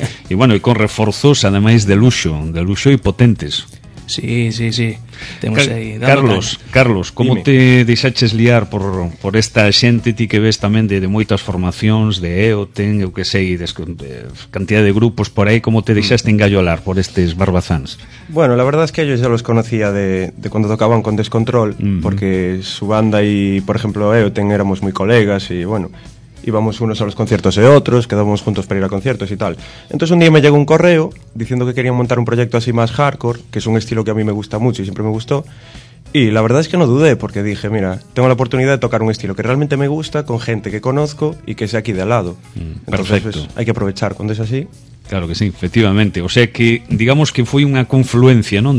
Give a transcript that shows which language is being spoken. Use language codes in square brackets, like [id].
[gl] E bueno, e con reforzos, ademais, de luxo e potentes. Sí, sí, sí. Temos aí, Carlos, como dime. Te deixaches liar por esta xente, ti que ves tamén de moitas formacións, de EOTEN, eu que sei, de cantidad de grupos por aí, como te deixaste engallolar por estes barbazáns? [es] Bueno, la verdad es que ellos ya los conocía de cuando tocaban con Descontrol, uh-huh. porque su banda y, por ejemplo, EOTEN éramos muy colegas y, bueno, íbamos unos a los conciertos de otros, quedábamos juntos para ir a conciertos y tal. Entonces un día me llegó un correo diciendo que querían montar un proyecto así más hardcore, que es un estilo que a mí me gusta mucho y siempre me gustó. Y la verdad es que no dudé porque dije, mira, tengo la oportunidad de tocar un estilo que realmente me gusta con gente que conozco y que sea aquí de al lado. Entonces, perfecto. Pues, hay que aprovechar cuando es así. Claro que sí, efectivamente. O sea que, digamos que [gl] foi unha confluencia, non?